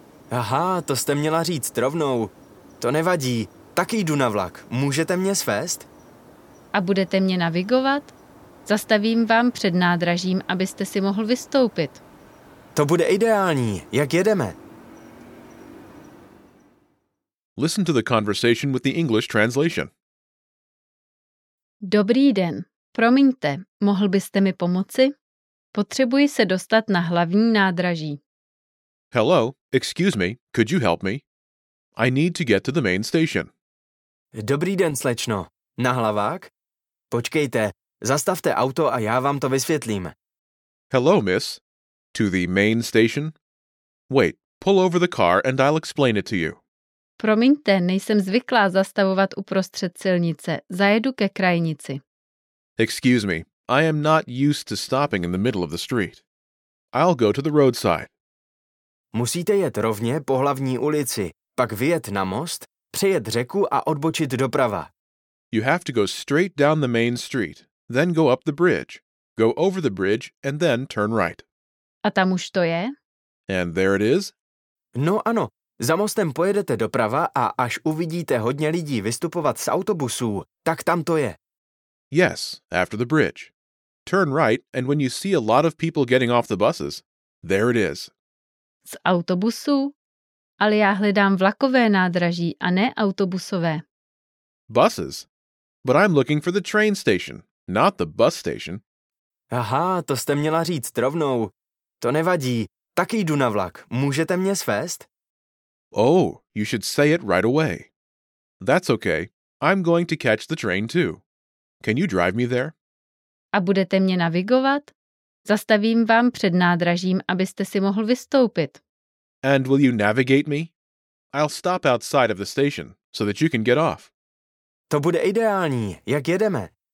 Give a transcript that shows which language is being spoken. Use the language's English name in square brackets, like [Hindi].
[Czech] Aha, to jste měla říct rovnou. To nevadí, taky jdu na vlak. Můžete mě svést? A budete mě navigovat? Zastavím vám před nádražím, abyste si mohl vystoupit. To bude ideální. Jak jedeme? [English] Listen to the conversation with the English translation. [Czech] Dobrý den. Promiňte, mohl byste mi pomoci? Potřebuji se dostat na hlavní nádraží. [English] Hello, excuse me, could you help me? I need to get to the main station. [Czech] Dobrý den, slečno. Na hlavák? Počkejte, zastavte auto a já vám to vysvětlím. [English] Hello, miss. To the main station? Wait, pull over the car and I'll explain it to you. [Czech] Promiňte, nejsem zvyklá zastavovat uprostřed silnice. Zajedu ke krajnici. [English] Excuse me, I am not used to stopping in the middle of the street. I'll go to the roadside. [Czech] Musíte jet rovně po hlavní ulici, pak vyjet na most, přejet řeku a odbočit doprava. [English] You have to go straight down the main street, then go up the bridge. Go over the bridge and then turn right. [Czech] A tam už to je? [English] And there it is? [Czech] No ano, za mostem pojedete doprava a až uvidíte hodně lidí vystupovat z autobusů, tak tam to je. [English] Yes, after the bridge. Turn right and when you see a lot of people getting off the buses, there it is. [Czech] Z autobusu? Ale já hledám vlakové nádraží a ne autobusové. [English] Buses? But I'm looking for the train station, not the bus station. [Czech] Aha, to jste měla říct rovnou. To nevadí, taky jdu na vlak. Můžete mě svést? [English] Oh, you should say it right away. That's okay, I'm going to catch the train too. Can you drive me there? [Czech] A budete mě navigovat? Zastavím vám před nádražím, abyste si mohl vystoupit. [English] And will you navigate me? I'll stop outside of the station, so that you can get off. [Czech] To bude ideální, jak jedeme.